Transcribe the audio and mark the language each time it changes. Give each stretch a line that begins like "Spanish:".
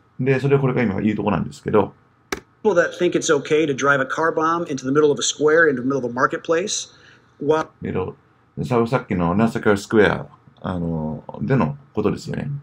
Japanese: で、それをこれが今言うところなんですけど。
English: People that think it's okay to drive a car bomb into the middle of a square, into the middle of a marketplace,
Japanese: さっきのナサカスクエアでのことですよね。